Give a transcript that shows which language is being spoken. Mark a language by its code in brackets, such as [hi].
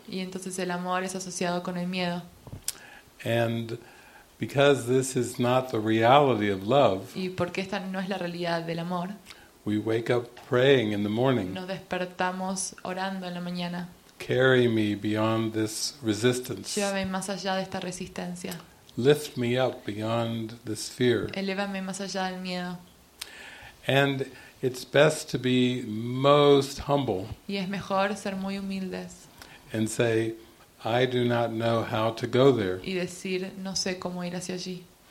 [es] Y entonces el amor es asociado con el miedo. [en] And because this is not the reality of love. [es] Y porque esta no es la realidad del amor. [en] We wake up praying in the morning. [es] Nos despertamos orando en la mañana. [en] Carry me beyond this resistance. [es] Llévame más allá de esta resistencia. [en] Lift me up beyond this fear. [es] Elévame más allá del miedo. [en] And it's best to be most humble. [es] Y es mejor ser muy humildes. [en] And say, I do not know how to go there. [es] Y decir, no sé cómo ir hacia allí.